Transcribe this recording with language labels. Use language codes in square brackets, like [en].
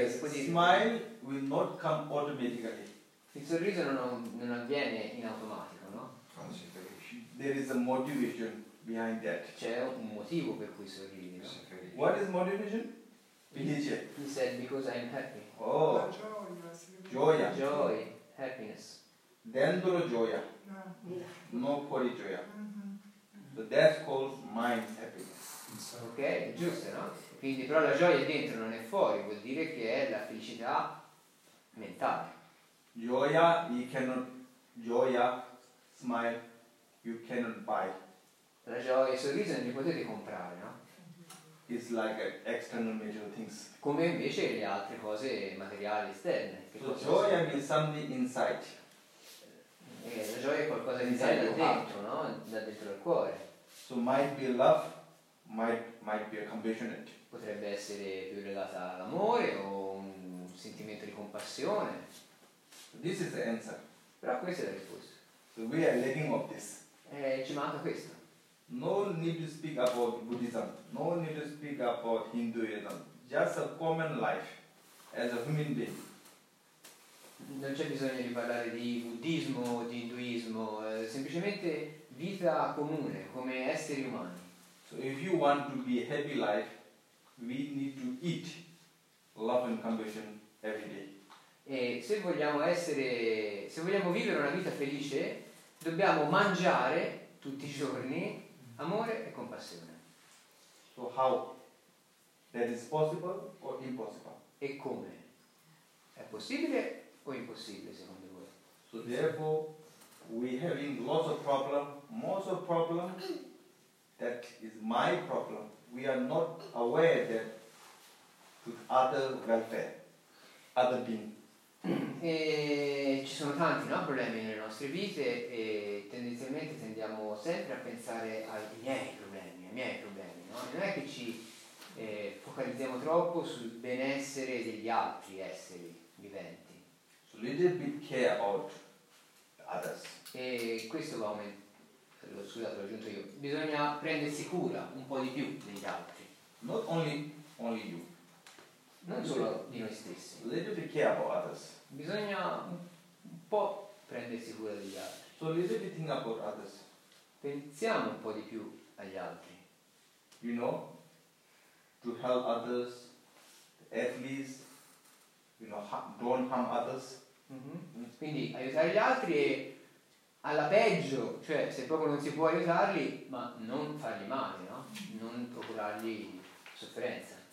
[en] Smile will not come automatically. [it] Il sorriso non avviene in automatico, no? [en] There is a motivation behind that. [it] C'è un motivo per cui sorridi. No? [en] What is motivation? Felice. He said because I'm happy. Oh, [it] gioia. [en] Joy, happiness. [it] Dentro gioia. No fuori gioia. [en] So that's called mind happiness. [it] Ok, giusto, no? Quindi però la gioia è dentro, non è fuori, vuol dire che è la felicità mentale. [en] Gioia, you cannot, gioia, smile, you cannot buy. [it] La gioia e il sorriso non li potete comprare, no? [en] It's like external material things. [it] Come invece le altre cose materiali esterne. [en] So gioia means something inside. [it] La gioia è qualcosa di inside, da dentro, no? Da dentro al cuore. [en] So might be love, might be a compassionate. [it] Potrebbe essere più legata all'amore o un sentimento di compassione. [en] This is the answer. [it] Però questa è la risposta. [en] So we are lacking of this. [it] Ci manca questo. [en] No need to speak about Buddhism. No need to speak about Hinduism. Just a common life as a human being. [it] Non c'è bisogno di parlare di buddismo o di induismo, semplicemente vita comune, come esseri umani. [en] So if you want to be a happy life, we need to eat love and compassion every day. E se vogliamo essere, se vogliamo vivere una vita felice, dobbiamo mangiare tutti i giorni amore e compassione. So how? That is possible or impossible? [it] E come? È possibile o impossibile secondo voi? [en] So therefore we having lots of problem, most of problem that is my problem. We are not aware that to other welfare, other being. [it] E ci sono tanti, no, problemi nelle nostre vite e tendenzialmente tendiamo sempre a pensare ai miei problemi, no? Non è che ci focalizziamo troppo sul benessere degli altri esseri viventi. [en] So little bit care about others. [it] E questo va aumentando, scusate, l'ho aggiunto io. Bisogna prendersi cura un po' di più degli altri. [en] Not only you. [it] Non solo di noi stessi. [en] A little bit care about others. [it] Bisogna un po' prendersi cura degli altri. [en] So a little bit think about others. [it] Pensiamo un po' di più agli altri. [en] You know? To help others, at least, you know, don't harm others. [it] Quindi aiutare gli altri è alla peggio, cioè se proprio non si può aiutarli, ma non fargli male, no? Non procurargli sofferenza.